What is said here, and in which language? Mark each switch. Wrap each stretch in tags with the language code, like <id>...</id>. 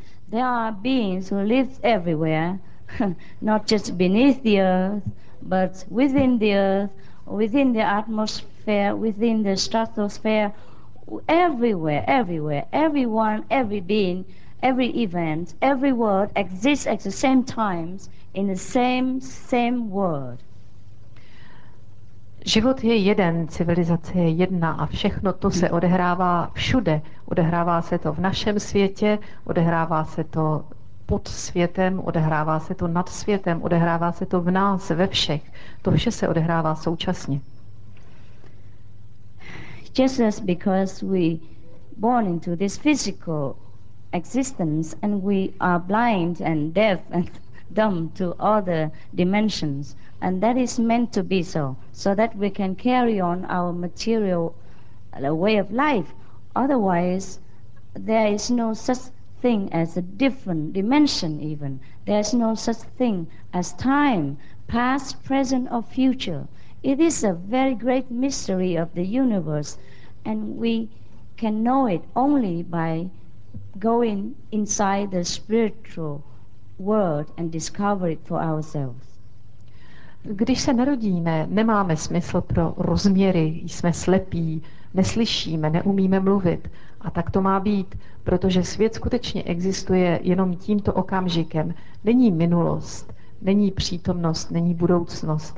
<en>There are beings who live everywhere, not just beneath the earth, but within the earth, within the atmosphere, within the stratosphere, everywhere, everywhere, everyone, every being, every event, every world exists at the same times in the same world.</en> <cs>Život je jeden, civilizace je jedna a všechno to se odehrává všude. Odehrává se to v našem světě, odehrává se to pod světem, odehrává se to nad světem, odehrává se to v nás, ve všech. To vše se odehrává současně.</cs> <en>just as because we born into this physical existence and we are blind and deaf and dumb to all the dimensions, and that is meant to be so, so that we can carry on our material way of life. Otherwise, there is no such thing as a different dimension even. There is no such thing as time, past, present or future. It is a very great mystery of the universe, and we can know it only by going inside the spiritual world and discover it for ourselves.</en> <cs>Když se narodíme, nemáme smysl pro rozměry, jsme slepí, neslyšíme, neumíme mluvit. A tak to má být, protože svět skutečně existuje jenom tímto okamžikem. Není minulost, není přítomnost, není budoucnost.</cs>